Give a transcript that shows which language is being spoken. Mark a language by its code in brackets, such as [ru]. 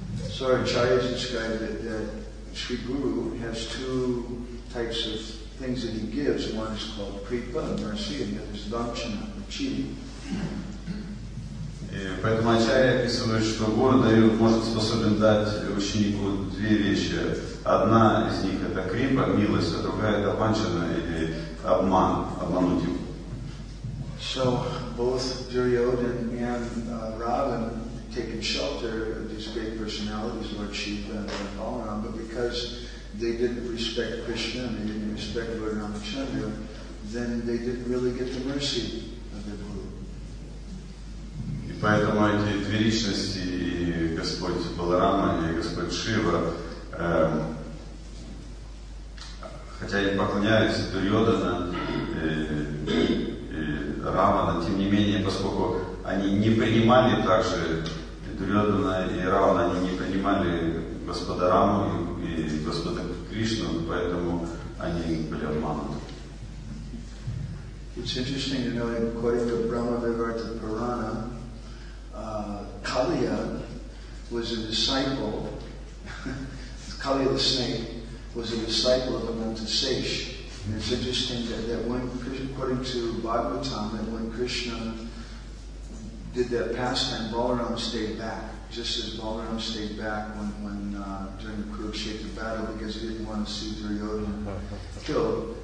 [en] So Acharya described that Sri Guru has two types of things that he gives. One is called Kripa, mercy, and the other is Dakshina, the cheating. [ru] И поэтому Ачарья описывает, что Гуру дает, может, способен дать ученику две вещи. Одна из них — это крипа, милость, а другая — это панчана или обман, обмануть его. [en] So both Duryodhan and Ravan taken shelter of these great personalities, Lord Shiva and Lord Balaram, but because they didn't respect Krishna and they didn't respect Lord Ramachandra, then they didn't really get the mercy of the Guru. [ru] И поэтому эти две личности, Господь Баларама и Господь Шива, хотя они поклоняются Дурьодана и Равана, тем не менее, поскольку они не принимали также Дурьодана и Равана, они не принимали Господа Раму и Господа Кришну, поэтому они были обмануты. [en] It's interesting to know, according to Brahma Vivarta Purana, Kaliya was a disciple. Kaliya the snake was a disciple of Ananta Sesh. And it's interesting that when, according to Bhagavatam, that when Krishna did that pastime, Balaram stayed back, just as Balaram stayed back when during the Kurukshetra battle, because he didn't want to see Duryodhana killed.